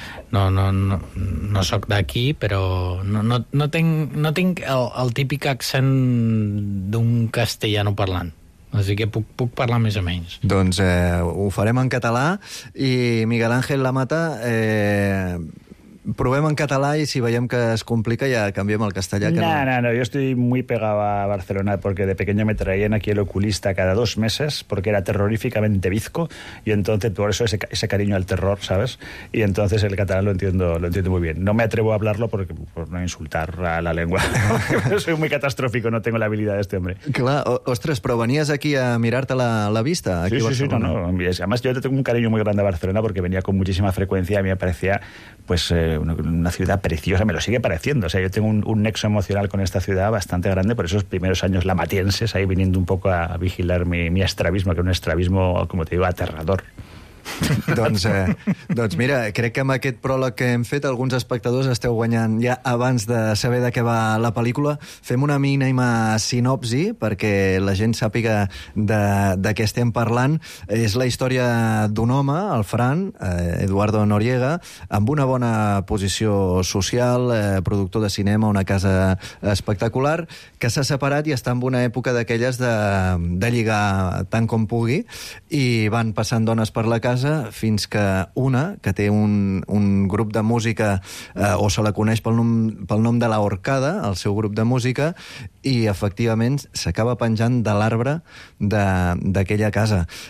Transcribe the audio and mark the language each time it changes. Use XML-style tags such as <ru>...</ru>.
<ca>No sóc d'aquí, però no tinc el típic accent d'un castellano parlant. Així que puc parlar més o menys. Doncs ho farem en català. I Miguel Ángel La Mata, provem en català i si veiem que es complica ja canviem al castellà.</ca> <es>No, yo estoy muy pegado a Barcelona porque de pequeño me traían aquí el oculista cada dos meses porque era terroríficamente bizco y entonces por eso ese cariño al terror, ¿sabes? Y entonces el catalán lo entiendo muy bien. No me atrevo a hablarlo por no insultar a la lengua. Soy muy catastrófico, no tengo la habilidad de este hombre.</es> <ca>Clar, ostres, però venies aquí a mirar-te la vista. Aquí sí, sí, Barcelona. Sí, no.</ca> <es>Además yo tengo un cariño muy grande a Barcelona porque venía con muchísima frecuencia y me parecía pues una ciudad preciosa, me lo sigue pareciendo. O sea, yo tengo un nexo emocional con esta ciudad bastante grande por esos primeros años lamatienses, ahí viniendo un poco a vigilar mi estrabismo, que era un estrabismo, como te digo, aterrador.</es> <ca>Doncs, doncs mira, crec que amb aquest pròleg que hem fet alguns espectadors esteu guanyant ja abans de saber de què va la pel·lícula. Fem una mínima sinopsi perquè la gent sàpiga de què estem parlant. És la història d'un home, el Fran, Eduardo Noriega, amb una bona posició social, productor de cinema, una casa espectacular, que s'ha separat i està en una època d'aquelles de lligar tant com pugui, i van passant dones per la casa fins que una, que té un grup de música, o se la coneix pel nom de la Orcada, el seu grup de música, i efectivament s'acaba penjant de l'arbre d'aquella casa.</ca>